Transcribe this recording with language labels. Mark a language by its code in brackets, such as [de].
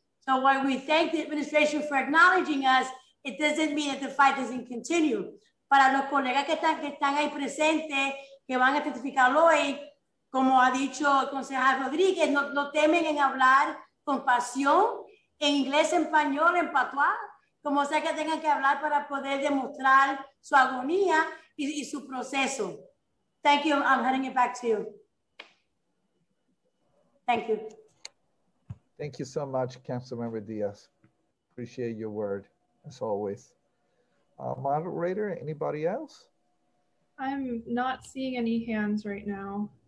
[en] So while we thank the administration for acknowledging us, it doesn't mean that the fight doesn't continue. [es] Para los colegas que están ahí presentes, que van a testificar hoy, como ha dicho el concejal Rodríguez, no temen en hablar con pasión, en inglés, en español, en patois, como sea que tengan que hablar para poder demostrar su agonía y su proceso. [en] Thank you, I'm handing it back to you. Thank you. Thank you so much, Councilmember Diaz. Appreciate your word, as always. Moderator, anybody else? I'm not seeing any hands right now.